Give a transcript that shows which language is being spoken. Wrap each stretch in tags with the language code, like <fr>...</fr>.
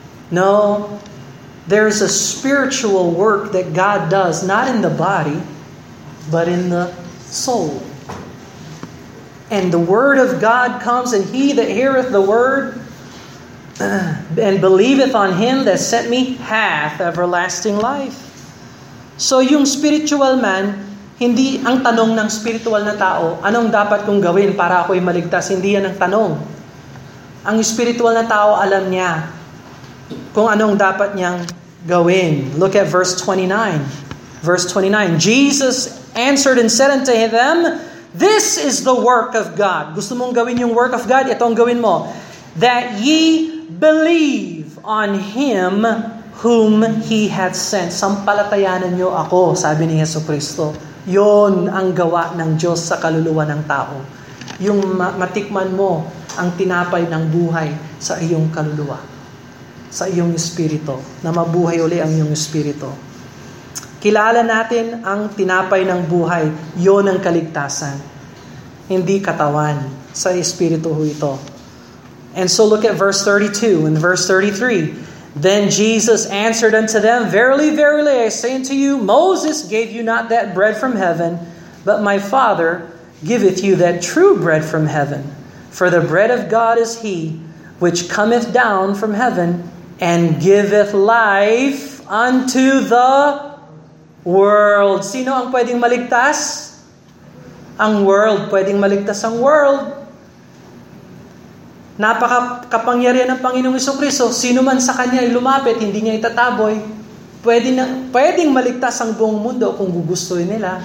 <en>No, there's a spiritual work that God does, not in the body, but in the soul. And the word of God comes, and he that heareth the word and believeth on him that sent me hath everlasting life.</en> <tl>So yung spiritual man, hindi ang tanong ng spiritual na tao, anong dapat kong gawin para ako'y maligtas? Hindi yan ang tanong. Ang spiritual na tao, alam niya kung anong dapat niyang gawin.</tl> <en>Look at verse 29. Verse 29. Jesus answered and said unto them, "This is the work of God."</en> <tl>Gusto mong gawin yung</tl> <en>work of God?</en> <tl>Ito ang gawin mo.</tl> <en>"That ye believe on him whom he hath sent."</en> <tl>Sampalatayanan niyo ako, sabi ni Jesucristo. Yon ang gawa ng Diyos sa kaluluwa ng tao. Yung matikman mo ang tinapay ng buhay sa iyong kaluluwa, sa iyong espiritu, na mabuhay uli ang iyong espiritu. Kilala natin ang tinapay ng buhay, yon ang kaligtasan. Hindi katawan, sa espiritu ho ito.</tl> <en>And so look at verse 32 and verse 33. "Then Jesus answered unto them, Verily, verily, I say unto you, Moses gave you not that bread from heaven, but my Father giveth you that true bread from heaven. For the bread of God is he which cometh down from heaven and giveth life unto the world."</en> <tl>Sino ang pwedeng maligtas? Ang world. Pwedeng maligtas ang world. Napaka-kapangyarihan ng Panginoong Jesucristo. Sino man sa kanya ay lumapit, hindi niya itataboy. Pwedeng maligtas ang buong mundo kung gugustuhin nila.</tl>